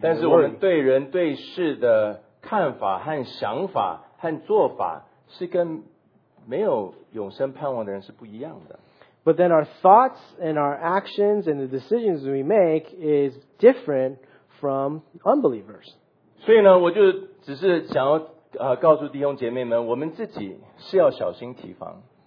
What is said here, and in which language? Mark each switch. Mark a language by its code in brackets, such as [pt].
[zh] 但是我们对人对事的看法和想法和做法是跟没有永生盼望的人是不一样的。 [en] But then our thoughts and our actions and the decisions we make is different. From unbelievers. [zh] 所以呢，我就只是想要告诉弟兄姐妹们，我们自己是要小心提防。